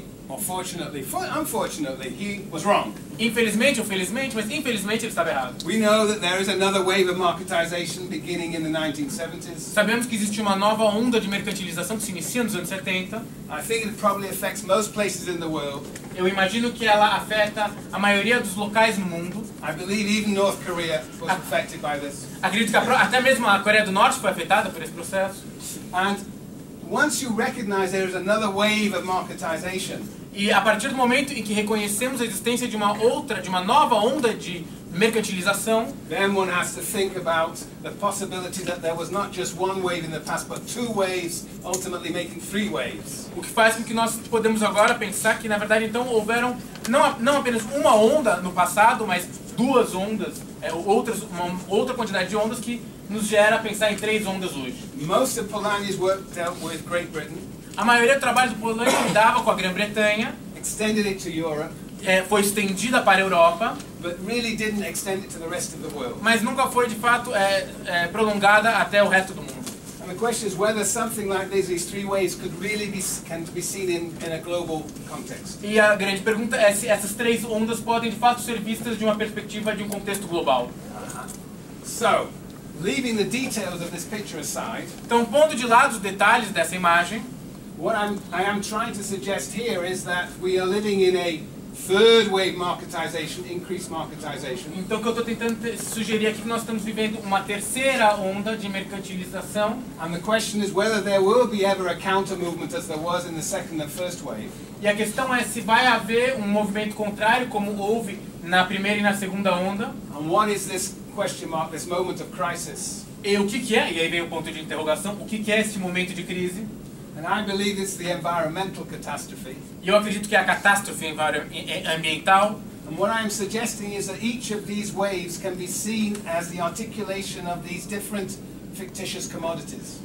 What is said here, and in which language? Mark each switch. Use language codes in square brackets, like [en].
[en] Unfortunately, he was wrong. [pt] Infelizmente ou felizmente, mas infelizmente ele estava errado. [en] We know that there is another wave of marketization beginning in the 1970s. [pt] Sabemos que existe uma nova onda de mercantilização que se inicia nos anos 70. [en] I think it probably affects most places in the world. [pt] Eu imagino que ela afeta a maioria dos locais no mundo. [en] I believe even North Korea was affected by this. [pt] Acredito que até mesmo a Coreia do Norte foi afetada por esse processo. [en] And once you recognize there is another wave of marketization. [pt] E a partir do momento em que reconhecemos a existência de uma outra, de uma nova onda de mercantilização, [en] then one has to think about the possibility that there was not just one wave in the past, but two waves, ultimately making three waves. [pt] O que faz com que nós podemos agora pensar que na verdade então houveram não apenas uma onda no passado, mas duas ondas, outra quantidade de ondas que nos gera a pensar em três ondas hoje. [en] Most of Polanyi's work dealt with Great Britain. [pt] A maioria do trabalho do Polanyi lidava com a Grã-Bretanha. [en] Extended it to Europe. [pt] Foi estendida para a Europa, [en] but really didn't extend it to the rest of the world. [pt] Mas nunca foi de fato prolongada até o resto do mundo. [en] And the question is whether something like these three waves could really be can be seen in a global context. [pt] E a grande pergunta é se essas três ondas podem de fato ser vistas de uma perspectiva de um contexto global. [en] So, leaving the details of this picture aside, [pt] então pondo de lado os detalhes dessa imagem, [en] what I am trying to suggest here is that we are living in a third wave marketization, increased marketization. [pt] Então o que eu estou tentando sugerir aqui é que nós estamos vivendo uma terceira onda de mercantilização. [en] And the question is whether there will be ever a counter movement as there was in the second and first wave. [pt] E a questão é se vai haver um movimento contrário como houve na primeira e na segunda onda. [en] And what is this question mark, this moment of crisis? [pt] E o que que é? E aí vem o ponto de interrogação. O que que é esse momento de crise? [en] And I believe it's the environmental catastrophe. [pt] E eu acredito que é a catástrofe ambiental. [en] And what I am suggesting is that each of these waves can be seen as the articulation of these different fictitious commodities.